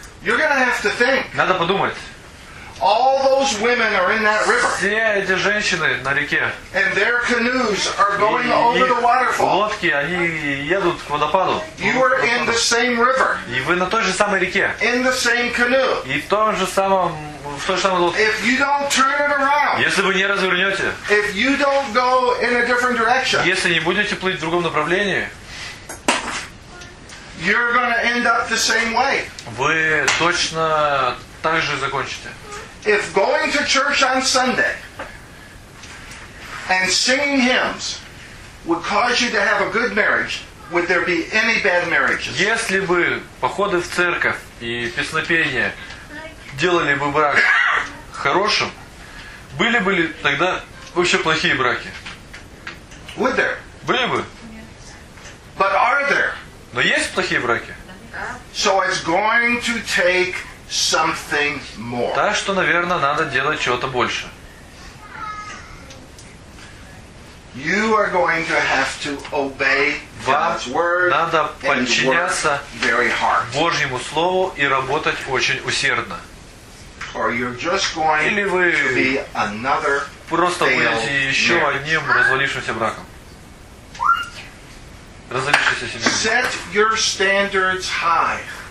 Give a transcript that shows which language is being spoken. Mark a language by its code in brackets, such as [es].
[en] You're gonna have to think. [ru] Надо подумать. [en] All those women are in that river. [ru] Все эти женщины на реке. [en] And their canoes are going over the waterfall. [ru] Лодки, они едут к водопаду. [en] You are in the same river. [ru] И вы на той же самой реке. [en] In the same canoe. [ru] И в том же самом, в той же самой лодке. [en] If you don't turn it around. [ru] Если вы не развернете. [en] If you don't go in a different direction. [ru] Если не будете плыть в другом направлении. [en] You're going to end up the same way. [ru] Вы точно так же закончите. [en] If going to church on Sunday and singing hymns would cause you to have a good marriage, would there be any bad marriages? [ru] Если бы походы в церковь и песнопения делали бы брак хорошим, были бы ли тогда вообще плохие браки? [en] Would there? [ru] Были бы. [en] But are there? [ru] Но есть плохие браки. [en] So it's going to take something more. [ru] Так что, наверное, надо делать чего-то больше. [en] You are going to have to obey God's word. [ru] Надо подчиняться [en] very hard. [ru] Божьему слову и работать очень усердно. [en] Or you're just going [ru] Или вы [en] to be another [ru] просто будете еще [en] marriage. [ru] Одним развалившимся браком. Развалившимся семьей. [en] Set your standards high.